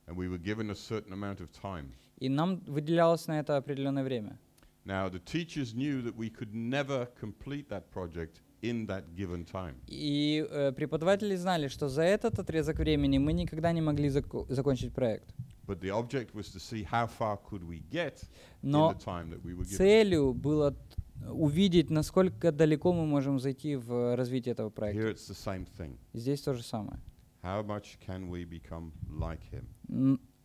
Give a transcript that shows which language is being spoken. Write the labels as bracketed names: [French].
[English] And we were given a certain amount of time. [Russian] И нам выделялось на это определенное время. [English] Now the teachers knew that we could never complete that project in that given time. [Russian] И преподаватели знали, что за этот отрезок времени мы никогда не могли закончить проект. [English] But the object was to see how far could we get [Russian] Но [English] in the time that we were given. [Russian] Но целью было увидеть, насколько далеко мы можем зайти в развитии этого проекта. [English] Here it's the same thing. [Russian] Здесь то же самое. [English] How much can we become like him?